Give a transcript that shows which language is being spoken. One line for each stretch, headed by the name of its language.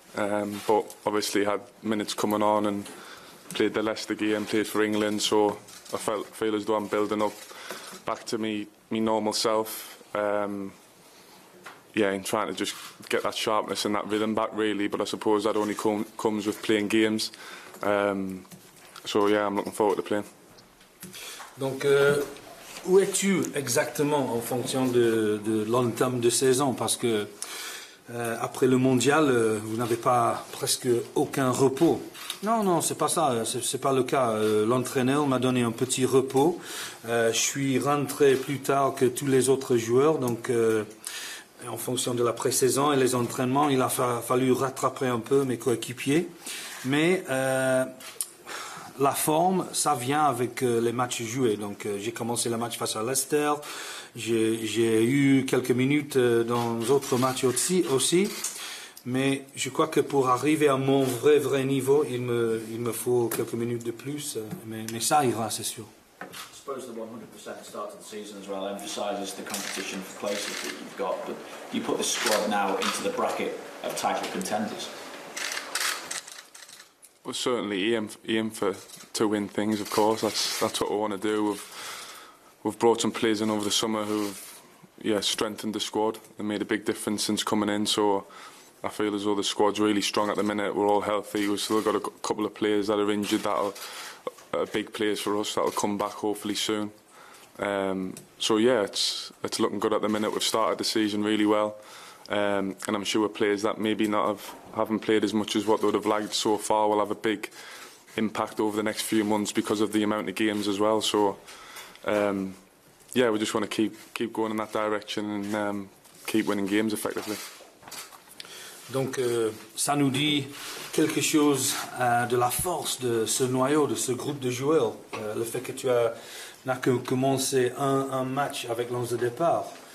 English: But obviously had minutes coming on and played the Leicester game, played for England. So I feel as though I'm building up back to me normal self. And trying to just get that sharpness and that rhythm back, really. But I suppose that only comes with playing games. I'm looking forward to playing.
French: Donc, où es-tu exactement en fonction de l'entame de saison? Parce que après le mondial, vous n'avez pas presque aucun repos. Non, c'est pas ça. C'est pas le cas. L'entraîneur m'a donné un petit repos. Je suis rentré plus tard que tous les autres joueurs. Donc, en fonction de la pré-saison et les entraînements, il a fallu rattraper un peu mes coéquipiers. Mais la forme, ça vient avec les matchs joués. Donc, j'ai commencé le match face à Leicester. J'ai eu quelques minutes dans d'autres matchs aussi. Mais je crois que pour arriver à mon vrai niveau, il me faut quelques minutes de plus. Mais ça ira, c'est sûr.
English: I suppose the 100% start of the season as well emphasises the competition for places that you've got. But you put the squad now into the bracket of title contenders. Well, certainly aim for to win things, of course. That's what we want to do. We've brought some players in over the summer who've strengthened the squad and made a big difference since coming in. So I feel as though the squad's really strong at the minute. We're all healthy. We've still got a couple of players that are injured that are big players for us that will come back hopefully soon. It's looking good at the minute. We've started the season really well. And I'm sure players that maybe haven't played as much as what they would have liked so far will have a big impact over the next few months because of the amount of games as well. So, we just want to keep going in that direction and keep winning games effectively.
French: Donc, ça nous dit quelque chose de la force de ce noyau, de ce groupe de joueurs. Le fait que tu n'as que commencé un match avec l'once de départ.